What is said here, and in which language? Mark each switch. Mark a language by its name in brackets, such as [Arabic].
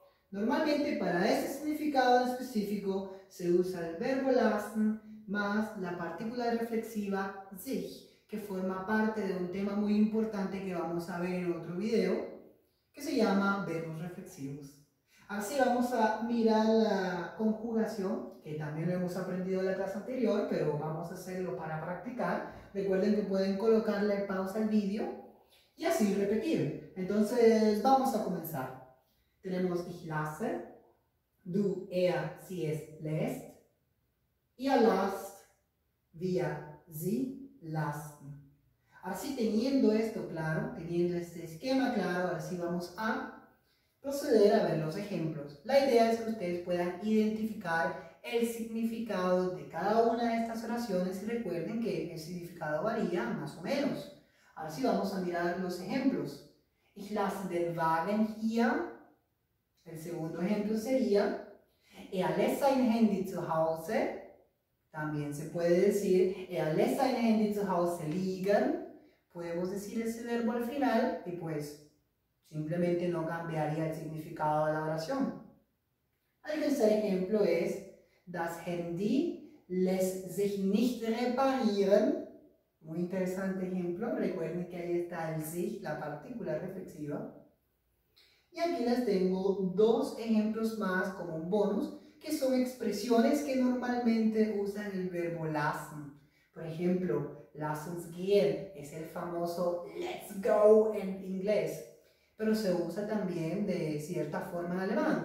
[Spanish] Normalmente para este significado en específico se usa el verbo lassen más la partícula reflexiva sich, que forma parte de un tema muy importante que vamos a ver en otro video, que se llama verbos reflexivos. Así vamos a mirar la conjugación, que también lo hemos aprendido en la clase anterior, pero vamos a hacerlo para practicar. Recuerden que pueden colocarle pausa al video y así repetir. Entonces, vamos a comenzar. Tenemos [German] ich lasse, du, er, sie, es, lässt, ihr lasst, wir, sie, lassen. [Spanish] Así, teniendo esto claro, teniendo este esquema claro, así vamos a proceder a ver los ejemplos. La idea es que ustedes puedan identificar el significado de cada una de estas oraciones y recuerden que el significado varía más o menos. Así vamos a mirar los ejemplos. [German] Ich lasse den Wagen hier. [Spanish] El segundo ejemplo sería [German] er lässt sein Handy zu Hause. [Spanish] También se puede decir, [German] er lässt sein Handy zu Hause liegen. [Spanish] Podemos decir ese verbo al final y pues simplemente no cambiaría el significado de la oración. El tercer ejemplo es, [German] das Handy lässt sich nicht reparieren. [Spanish] Muy interesante ejemplo, recuerden que ahí está el sich, la partícula reflexiva. Y aquí les tengo dos ejemplos más como un bonus, que son expresiones que normalmente usan el verbo lassen. Por ejemplo, [German] lass uns gehen [Spanish] es el famoso [English] let's go [Spanish] en inglés, pero se usa también de cierta forma en alemán.